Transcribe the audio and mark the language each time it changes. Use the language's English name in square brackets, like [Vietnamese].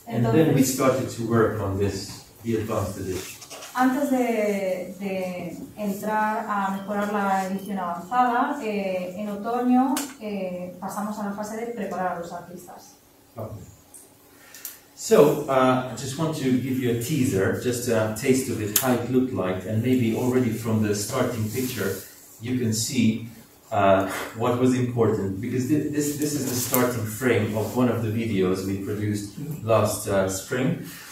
[English] and then we started to work on this. The advanced edition. [Spanish] Antes de entrar a mejorar la edición avanzada, en otoño pasamos a la fase de preparar a los artistas. [English] Okay. So, I just want to give you a teaser, just a taste of it, how it looked like, and maybe already from the starting picture you can see what was important, because this is the starting frame of one of the videos we produced last spring.